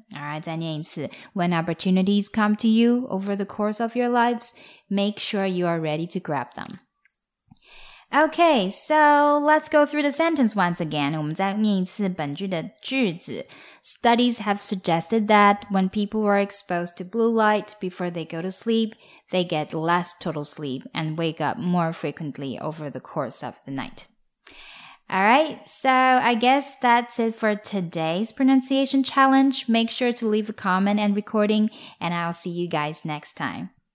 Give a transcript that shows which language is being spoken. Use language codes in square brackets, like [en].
[en] Alright, [zh] 再念一次 [en] ,When opportunities come to you over the course of your lives, make sure you are ready to grab them. Okay, so let's go through the sentence once again. [zh] 我们再念一次本句的句子。 [en] Studies have suggested that when people are exposed to blue light before they go to sleep, they get less total sleep and wake up more frequently over the course of the night. Alright, so I guess that's it for today's pronunciation challenge. Make sure to leave a comment and recording, and I'll see you guys next time.